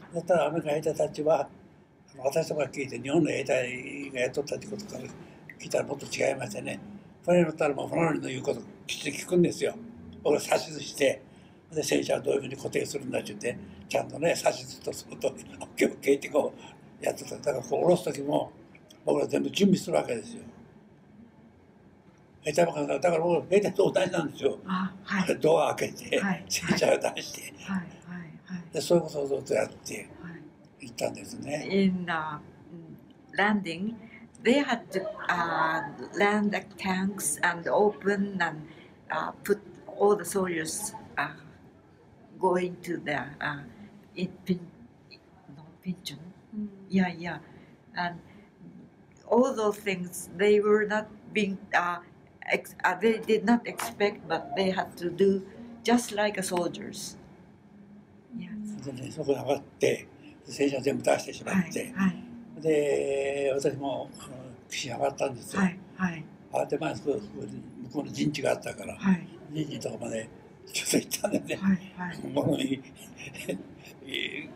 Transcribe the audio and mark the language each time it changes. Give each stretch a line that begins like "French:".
Japanese: だったらアメリカ兵隊たちは私とか聞いて日本の兵隊がやっとったってことから聞いたらもっと違いましてね船に乗ったらもう船の言うこときっと聞くんですよ俺は指図してで戦車はどういうふうに固定するんだって言ってちゃんとね指図とするとオッケーオッケーってこうやってただからこう下ろす時も僕ら全部準備するわけですよだから僕は兵隊と同じなんですよ。あはい、ドア開けて、はい、戦車を出して、はいはいはいはい、でそういうことをずっとやって行ったんですね。
English: In landing, they had to land the tanks and open and put all the soldiers going to the pigeon. Yeah, yeah. And all those things, they were not being... they did not expect, but they had to do just like a soldiers. Yes.
Japanese: でね、そこに上がって、戦車全部出してしまって、はいはい、で、私も岸に上がったんですよ。はいはい、上がって前に向こうの陣地があったから、はい、陣地とかまでちょっと行ったんでね、はいはい、